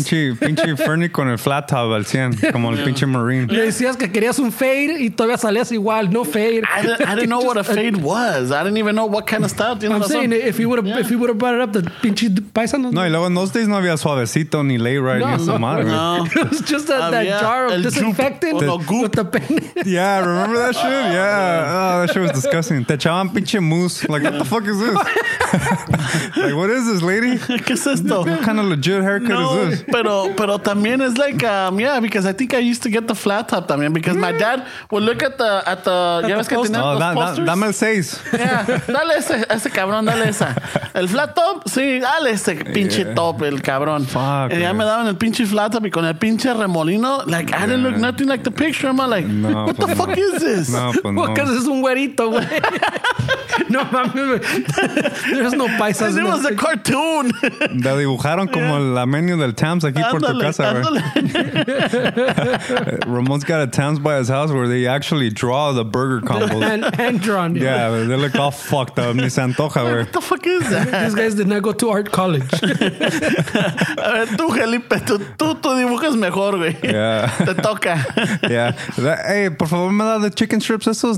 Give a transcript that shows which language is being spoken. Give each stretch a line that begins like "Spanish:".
Spanish: Pinche Fernie con el flat top al 100, como el pinche Marine. Le decías que querías un fade y todavía salías igual, no fade.
English: I didn't know what a fade was. I didn't even know what kind of style. You know, I'm saying, if you would have brought it up, the
Spanish: pinche paisano. No, y luego en
English: those days
Spanish: no había suavecito ni lay right ni esa madre. No.
English: It was just that jar of disinfectant with the pen. Yeah, remember that shit? Yeah. That shit was disgusting.
Spanish: Te echaban pinche mousse.
English: Like, what the fuck is this? Like, what is this, lady?
Spanish: ¿Qué es esto?
English: What kind of legit haircut is this?
Spanish: Pero también es
English: like, because I think I used to get the flat top
Spanish: también,
English: because my dad would look at the
Spanish: ¿ya ves que tenía los posters? Dame el 6. Yeah, dale ese cabrón, dale esa. El flat top, sí, dale ese pinche top, el cabrón.
English: Fuck.
Spanish: Y ya me daban el pinche flat top y con el pinche remolino,
English: like, I didn't look nothing like the picture. I'm like, no, what the fuck is this?
Spanish: No, pues no. Porque es un güerito, güey. No, mames.
English: There's no paisas. It was a cartoon.
Spanish: La dibujaron como la menu del Tams aquí por tu casa.
English: Ramon's got a Tams by his house where they actually draw the burger combos. And drawn. Yeah, they look all fucked up.
Spanish: Ni se antoja,
English: what the fuck is that? These guys did not go to art college.
Spanish: A ver, tú, Felipe, tú dibujas mejor, güey.
English: Yeah.
Spanish: Te toca.
English: Yeah.
Spanish: Hey, por favor, ¿me da de
English: chicken strips
Spanish: esos?